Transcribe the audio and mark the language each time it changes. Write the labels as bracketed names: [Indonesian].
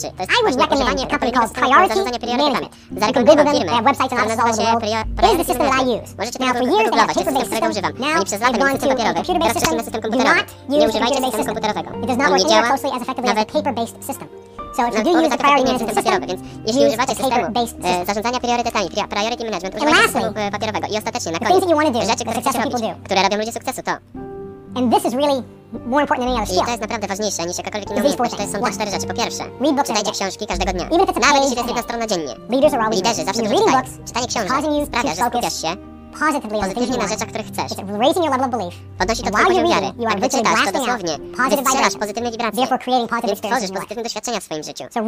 [English] I would recommend a company called Priority Management. You can Google them, they have websites and offices all over the world. Here's the system that I use. Now for years they have paper-based system. Now they've gone to a computer-based system. Do not use a computer-based system. It does not work anywhere closely as effectively as a paper-based system. So if you do use the priority management system, [Polish] więc jeśli używacie systemu zarządzania priorytetami, priority management, używajcie systemu papierowego i ostatecznie na koniec rzeczy, które chcecie robić, które robią ludzie sukcesu, to [English] and this is really more important than any other skill. [Polish] I to jest naprawdę ważniejsze niż jakakolwiek inna umiejętność. To są te cztery rzeczy. Po pierwsze, czytajcie książki każdego dnia. Nawet jeśli to jest jedna strona dziennie. Liderzy zawsze dużo czytają. Czytanie książek sprawia, że skupiasz się pozytywnie na rzeczach, których chcesz. Podnosi to twój poziom wiary. Tak, gdy czytasz, to dosłownie wystrzelasz pozytywne wibracje, więc tworzysz pozytywne doświadczenia w swoim życiu.